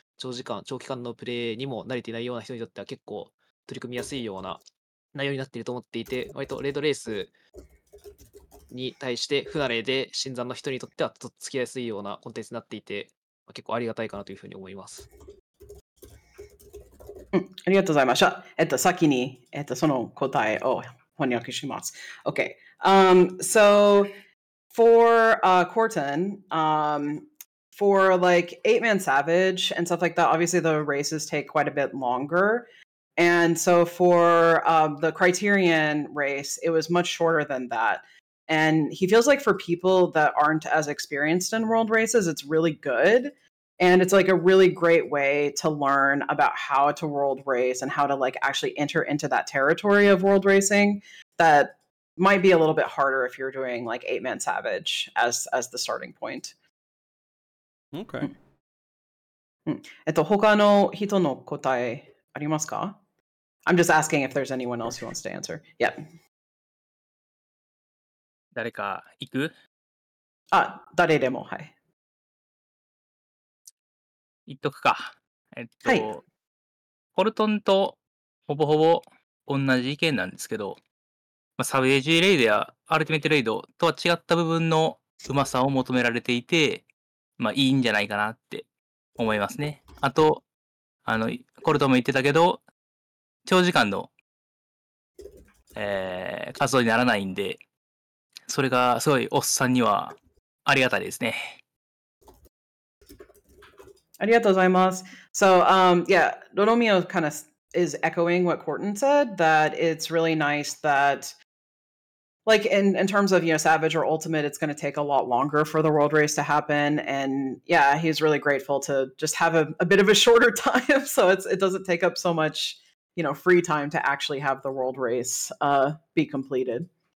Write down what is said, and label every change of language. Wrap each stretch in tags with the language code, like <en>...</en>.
<ja>長時間長期間のプレイにも慣れていないような人にとっては結構取り組みやすいような内容になっていると思っていて、割とレッドレースに対して不慣れで新参の人にとってはとっつきやすいようなコンテンツになっていて、結構ありがたいかなというふうに思います。うん、ありがとうございました。先に、その答えを翻訳します。</ja> <en>OK、So for Corten、for like 8-man Savage and stuff like that, obviously the races take quite a bit longer. And so for the Criterion race, it was much shorter than that. And he feels like for people that aren't as experienced in world races, it's really good. And it's like a really great way to learn about how to world race and how to like actually enter into that territory of world racing that might be a little bit harder if you're doing like 8-man Savage as the starting point. Okay.</en> <ja>他の人の答えありますか?</ja> <en>I'm just asking if there's anyone else who wants to answer. Yep.</en> <ja>誰か行く? あ、誰でも、はい。言っとくか。はい。コルトンとほぼほぼ同じ意見なんですけど、まあ、サベージュレイドやアルティメットレイドとは違った部分のうまさを求められていて、まあいいんじゃないかなって思いますね。あと、あの、コルトンも言ってたけど、長時間の、活動にならないんで、それがすごいおっさんにはありがたいですね。ありがとうございます。</ja> <en>So, yeah, Loromio kind of is echoing what Corten said, that it's really nice that, like, in terms of, you know, Savage or Ultimate, it's going to take a lot longer for the world race to happen. And, yeah, he's really grateful to just have a bit of a shorter time, so it doesn't take up so much, you know, free time to actually have the world race be completed.</en>